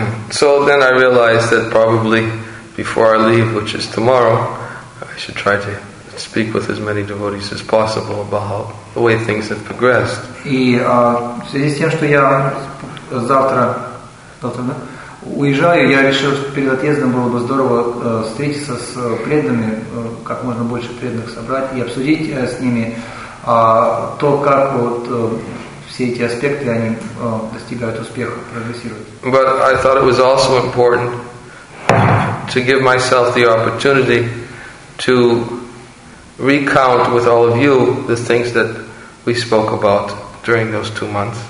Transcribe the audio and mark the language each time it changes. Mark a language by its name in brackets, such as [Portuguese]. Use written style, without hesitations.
[English] So then I realized that probably before I leave, which is tomorrow, I should try to speak with as many devotees as possible about how the way things have progressed. [Russian] И в связи с тем, что я завтра, да? Уезжаю, я решил, что перед отъездом было бы здорово встретиться с преданными, как можно больше преданных собрать и обсудить с ними то, как вот все эти аспекты они достигают успеха, прогрессируют. [English] But I thought it was also important to give myself the opportunity to recount with all of you the things that we spoke about during those 2 months.